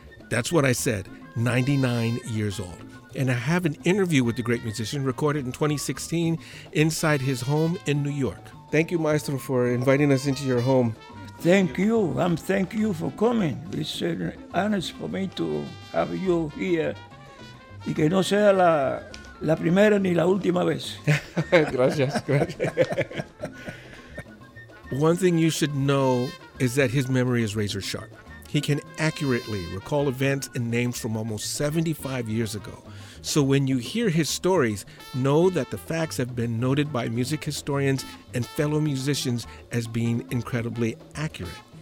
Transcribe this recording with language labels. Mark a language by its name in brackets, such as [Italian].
[English] That's what I said, 99 years old. And I have an interview with the great musician recorded in 2016 inside his home in New York. Thank you, Maestro, for inviting us into your home. Thank you. Thank you for coming. It's an honor for me to have you here. [Spanish] Y que no sea la primera ni la última vez. Gracias. [English] One thing you should know is that his memory is razor sharp. He can accurately recall events and names from almost 75 years ago. So when you hear his stories, know that the facts have been noted by music historians and fellow musicians as being incredibly accurate.